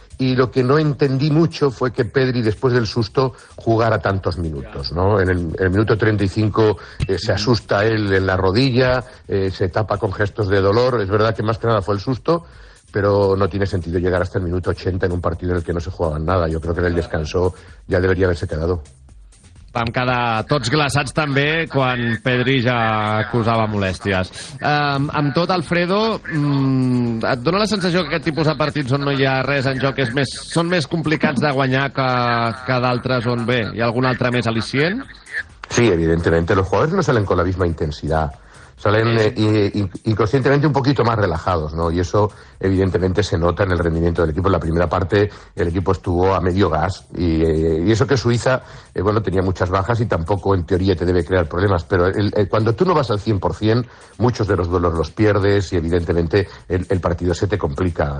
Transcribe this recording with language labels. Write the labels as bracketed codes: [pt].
[es] Y lo que no entendí mucho fue que Pedri, después del susto, jugara tantos minutos, ¿no? En el minuto 35 se asusta él en la rodilla, se tapa con gestos de dolor. Es verdad que más que nada fue el susto, pero no tiene sentido llegar hasta el minuto 80 en un partido en el que no se jugaba nada. Yo creo que en el descanso ya debería haberse quedado. [ca] Vam quedar tots glaçats també quan Pedri ja acusava molèsties. Amb tot, Alfredo, et dona la sensació que aquest tipus de partits on no hi ha res en joc són més complicats de guanyar que d'altres on ve? Hi ha algun altre més al·licient? [es] Sí, evidentemente. Los jugadores no salen con la misma intensidad. Salen inconscientemente un poquito más relajados, ¿no? Y eso evidentemente se nota en el rendimiento del equipo. En la primera parte el equipo estuvo a medio gas y eso que Suiza, bueno, tenía muchas bajas y tampoco en teoría te debe crear problemas, pero cuando tú no vas al 100%, muchos de los duelos los pierdes y evidentemente el partido se te complica.